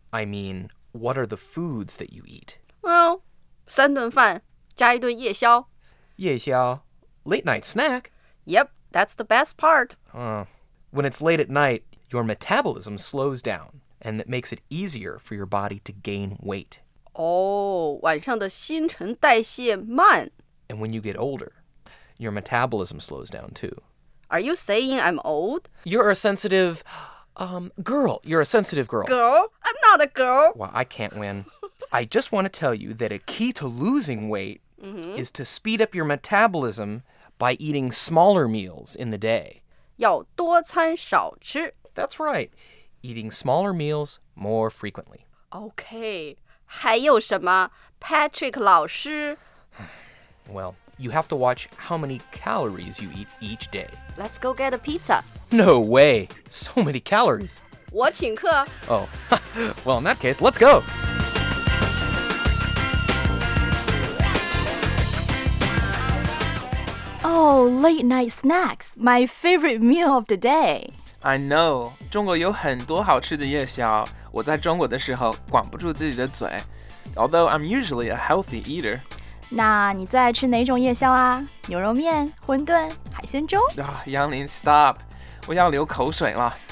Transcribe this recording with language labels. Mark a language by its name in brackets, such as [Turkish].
[English] I mean, what are the foods that you eat? [Chinese] Well, 三顿饭加一顿夜宵。 [English] 夜宵, late night snack. Yep, that's the best part. When it's late at night, your metabolism slows down, and it makes it easier for your body to gain weight. [Chinese] Oh, 晚上的新陈代谢慢。 [English] And when you get older, your metabolism slows down too. Are you saying I'm old? You're a sensitive, girl. You're a sensitive girl. Girl? I'm not a girl. Well, I can't win. I just want to tell you that a key to losing weight is to speed up your metabolism by eating smaller meals in the day. [Chinese] 要多餐少吃。 [English] That's right. Eating smaller meals more frequently. [Chinese] Okay. 还有什么 Patrick 老师 [English] Well, you have to watch how many calories you eat each day. Let's go get a pizza. No way. So many calories. [Chinese] 我请客。 [English] Oh. Well, in that case, let's go. 哦, late night snacks, my favorite meal of the day. I know, [Chinese] 中国有很多好吃的夜宵，我在中国的时候管不住自己的嘴。 [English] Although I'm usually a healthy eater. [Chinese] 那你最爱吃哪种夜宵啊？牛肉面、馄饨、海鲜粥？杨林, [English] stop, [Chinese] 我要流口水了。